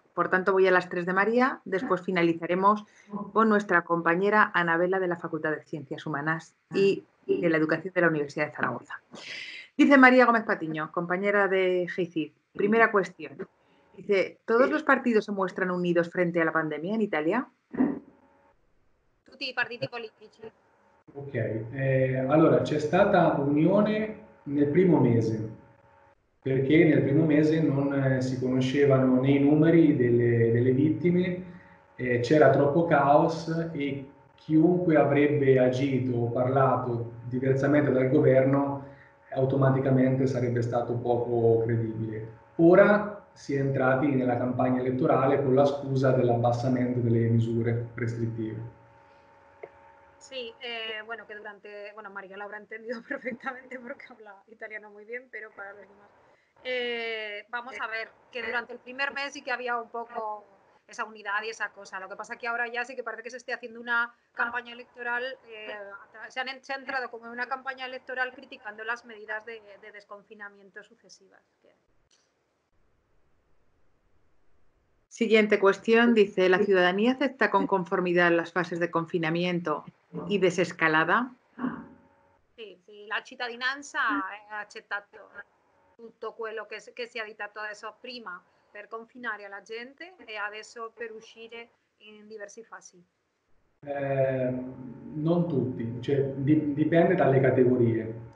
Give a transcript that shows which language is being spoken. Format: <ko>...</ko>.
<es>Por tanto, voy a las tres de María. Después finalizaremos con nuestra compañera Anabela de la Facultad de Ciencias Humanas y de la Educación de la Universidad de Zaragoza. Dice María Gómez Patiño, compañera de GICID. Primera cuestión. Dice, ¿todos los partidos se muestran unidos frente a la pandemia en Italia?</es> <it>Tutti i partiti politici. Ok. Allora, c'è stata unione nel primo mese, perché nel primo mese non si conoscevano né i numeri delle vittime, c'era troppo caos e chiunque avrebbe agito o parlato diversamente dal governo automaticamente sarebbe stato poco credibile. Ora si è entrati nella campagna elettorale con la scusa dell'abbassamento delle misure restrittive. Sì, Mario l'avrà intendito perfettamente perché parla italiano molto bene, però per gli altri.</it> <es>Vamos a ver</es> <it>che durante il primo mese che aveva</it> <es>un poco esa unidad y esa cosa. Lo que pasa es que ahora ya sí que parece que se esté haciendo una campaña electoral, se ha entrado como en una campaña electoral criticando las medidas de desconfinamiento sucesivas. Siguiente cuestión, dice, ¿la ciudadanía acepta con conformidad las fases de confinamiento y desescalada? Sí,</es> <it>la cittadinanza</it> <es>ha aceptado todo lo que se ha dictado de eso prima.</es> <it>Per confinare la gente e adesso per uscire in diverse fasi? Non tutti, cioè, dipende dalle categorie.</it>